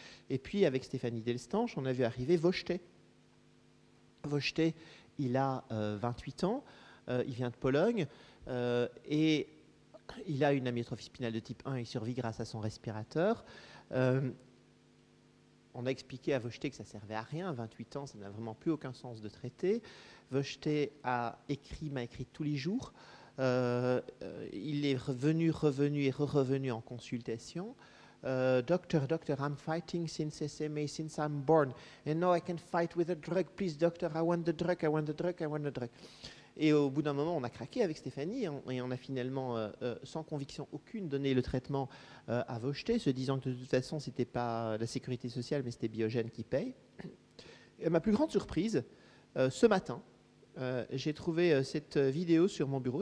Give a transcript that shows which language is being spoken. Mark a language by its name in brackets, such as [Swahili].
[French] Et puis, avec Stéphanie Delstanche, on a vu arriver Vojtech. Vojtech, il a 28 ans, il vient de Pologne, et il a une amyotrophie spinale de type 1, il survit grâce à son respirateur. On a expliqué à Vojtech que ça ne servait à rien, 28 ans, ça n'a vraiment plus aucun sens de traiter. Vojtech m'a écrit tous les jours. Il est revenu en consultation. [English] Doctor, I'm fighting since SMA, since I'm born. And now I can fight with a drug. Please, doctor, I want the drug. [French] Et au bout d'un moment, on a craqué avec Stéphanie et on a finalement, sans conviction aucune, donné le traitement à Vojtech, se disant que de toute façon, ce n'était pas la sécurité sociale, mais c'était Biogen qui paye. Et ma plus grande surprise, ce matin, j'ai trouvé cette vidéo sur mon bureau.